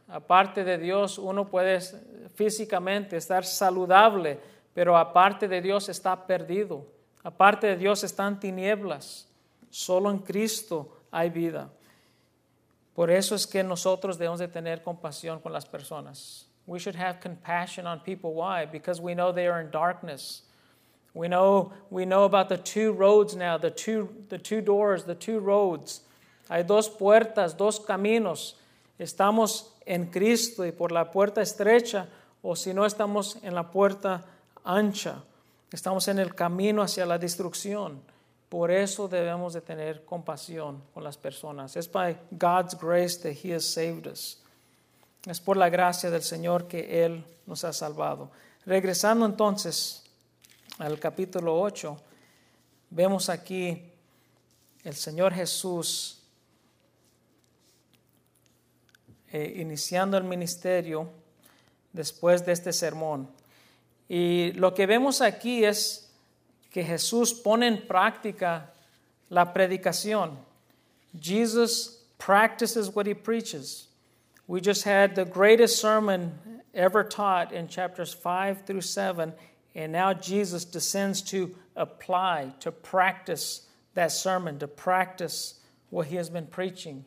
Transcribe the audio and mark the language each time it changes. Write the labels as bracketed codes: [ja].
[es] Aparte de Dios, uno puede físicamente estar saludable, pero aparte de Dios está perdido. Aparte de Dios están tinieblas. Solo en Cristo hay vida. Por eso es que nosotros debemos de tener compasión con las personas. [en] We should have compassion on people. Why? Because we know they are in darkness. We know about the two roads now, the two doors, the two roads. [es] Hay dos puertas, dos caminos. Estamos en Cristo y por la puerta estrecha, o si no estamos en la puerta ancha. Estamos en el camino hacia la destrucción. Por eso debemos de tener compasión con las personas. [en] It's by God's grace that he has saved us. [es] Es por la gracia del Señor que Él nos ha salvado. Regresando entonces al capítulo 8, vemos aquí el Señor Jesús iniciando el ministerio después de este sermón. Y lo que vemos aquí es que Jesús pone en práctica la predicación. [en] Jesus practices what he preaches. We just had the greatest sermon ever taught in chapters 5 through 7, and now Jesus descends to apply, to practice that sermon, to practice what he has been preaching.